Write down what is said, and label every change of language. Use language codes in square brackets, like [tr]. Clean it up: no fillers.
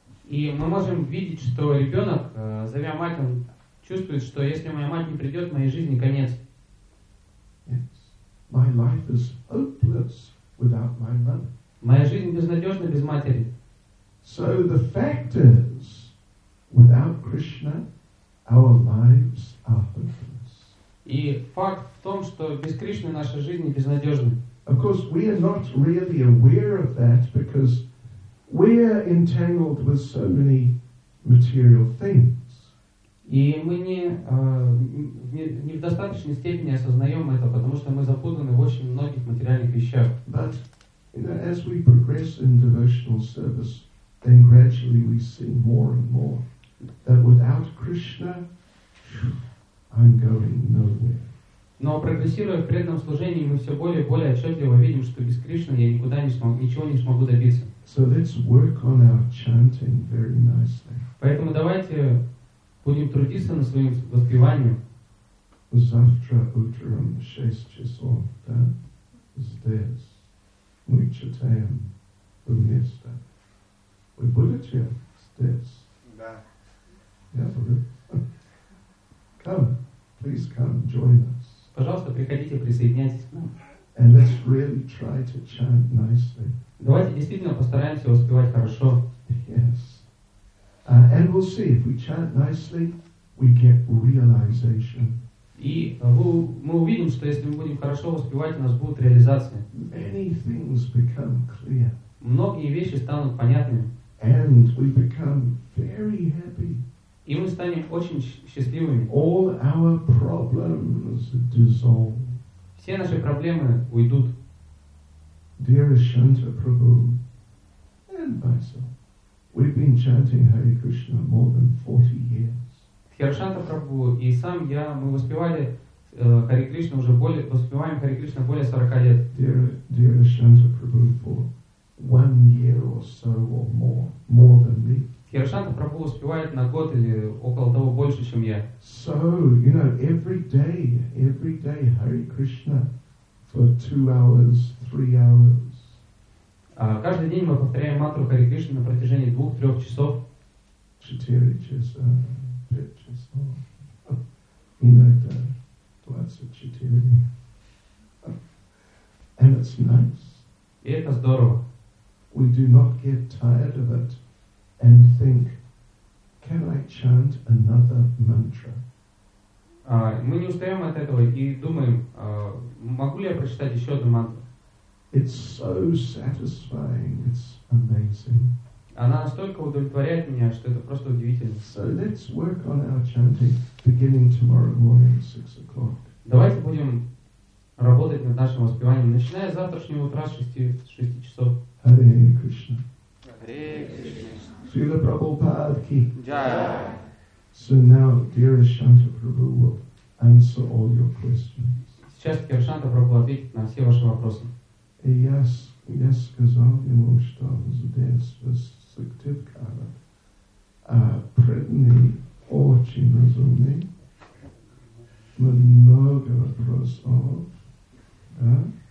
[ru] И мы можем видеть, что ребенок, зовя мать, он чувствует, что если моя мать не придет, моей жизни конец. [en] Yes. My life is hopeless without my mother. [ru] Моя жизнь безнадежна без матери. [en] So the fact is, without Krishna, our lives are hopeless. [ru] И факт в том, что без Кришны наша жизнь безнадежна. [en] Of course, we are not really aware of that because we are entangled with so many material things. [ru] И мы не в достаточной степени осознаем это, потому что мы запутаны в очень многих материальных вещах. [en] But you know, as we progress in devotional service, then gradually we see more and more that without Krishna, I'm going nowhere. [ru] Но прогрессируя в преданном служении, мы все более и более отчетливо видим, что без Кришны я никуда не смогу, ничего не смогу добиться. [en] So let's work on our chanting very nicely. [ru] Поэтому давайте будем трудиться на своем воспевании. Завтра утром в 6 часов, да, здесь мы читаем вместе. Вы будете здесь? Да. Я буду. [en] Come, please come, join us. [ru] Пожалуйста, приходите, присоединяйтесь к нам. [en] And let's really try to chant nicely. [ru] Давайте действительно постараемся воспевать хорошо. [en] Yes. And we'll see, if we chant nicely, we get realization. [ru] И мы увидим, что если мы будем хорошо воспевать, у нас будет реализация. [en] Many things become clear. [ru] Многие вещи станут понятными. [en] And we become very happy. [ru] И мы станем очень счастливыми. [en] All our problems dissolve. [ru] Все наши проблемы уйдут. [en] Dear Ashanta Prabhu and myself, we've been chanting Hare Krishna more than 40 years. [ru] Хиршанта Прабху и сам я, мы воспевали Hare Krishna уже более, воспеваем Hare Krishna более 40 лет. [en] Dear Ashanta Prabhu for 1 year or so or more than me. [ru] Хиршанта Прабху успевает на год или около того больше, чем я. [en] So, you know, every day, Hare Krishna for 2 hours, 3 hours. [ru] Каждый день мы повторяем мантру Hare Krishna на протяжении 2-3 часов. 4 часа, 5 часов. Иногда 24. [en] And it's nice. [ru] И это здорово. [en] We do not get tired of it. And think, can I chant another mantra? [ru] Мы не устаем от этого и думаем, могу ли я прочитать еще одну мантру? [en] It's so satisfying, it's amazing. [ru] Она настолько удовлетворяет меня, что это просто удивительно. [en] So let's work on our chanting, beginning tomorrow morning, 6 o'clock. [ru] Давайте будем работать над нашим воспеванием, начиная с завтрашнего утра с 6 часов. [sa] Hare Krishna. Hare Krishna. Srila Prabhupada ki. Jaya. [en] So now, dear Ashanta Prabhu will answer all your questions. [ru] Сейчас Ашанта Прабху ответит на все ваши вопросы. Я сказал ему, что здесь, в Сыктывкаре, преданные очень разумные, много вопросов, да?